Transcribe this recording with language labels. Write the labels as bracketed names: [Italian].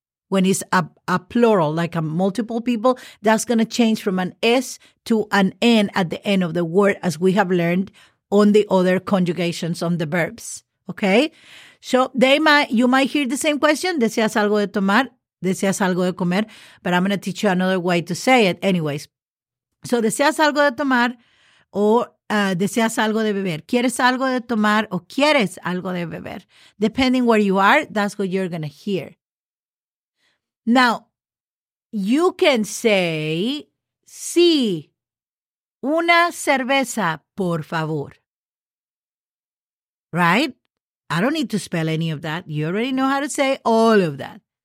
[English] When it's a plural, like a multiple people, that's going to change from an S to an N at the end of the word, as we have learned on the other conjugations on the verbs. Okay, so you might hear the same question, [Spanish] deseas algo de tomar. Deseas algo de comer, [English] but I'm going to teach you another way to say it anyways. [Spanish] So, deseas algo de tomar o deseas algo de beber. ¿Quieres algo de tomar o quieres algo de beber? [English] Depending where you are, that's what you're going to hear. Now, you can say, [Spanish] sí, una cerveza, por favor. [English] Right? I don't need to spell any of that. You already know how to say all of that.